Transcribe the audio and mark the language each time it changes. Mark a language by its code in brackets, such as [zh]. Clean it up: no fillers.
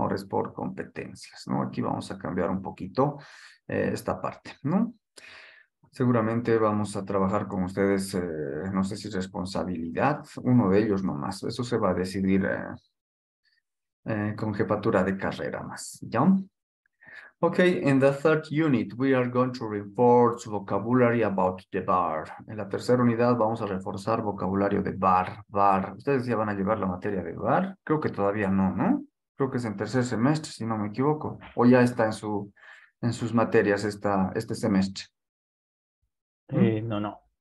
[es] Ahora es por competencias, ¿no? Aquí vamos a cambiar un poquito esta parte, ¿no? Seguramente vamos a trabajar con ustedes, no sé si responsabilidad, uno de ellos nomás. Eso se va a decidir con jefatura de carrera más, ¿ya? [en] Ok, in the third unit, we are going to reinforce vocabulary about the bar. [es] En la tercera unidad vamos a reforzar vocabulario de bar. Bar. ¿Ustedes ya van a llevar la materia de bar? Creo que todavía no, ¿no? Creo que es en tercer semestre, si no me equivoco. O ya está en sus materias este semestre. No, no.